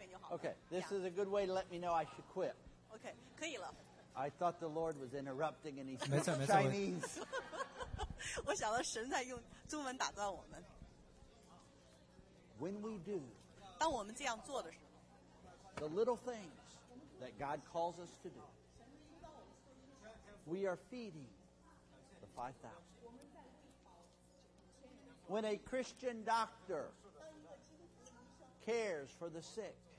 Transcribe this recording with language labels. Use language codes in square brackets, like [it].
[en] Okay, this is a good way to let me know I should quit. [zh] Okay, 可以了 [en] I thought the Lord was interrupting and he spoke Chinese. [zh] 我想到神在用中文打断我们 [en] When we do, [zh] 当我们这样做的时候 [en] the little things that God calls us to do, we are feeding the 5,000. When a Christian doctor cares for the sick.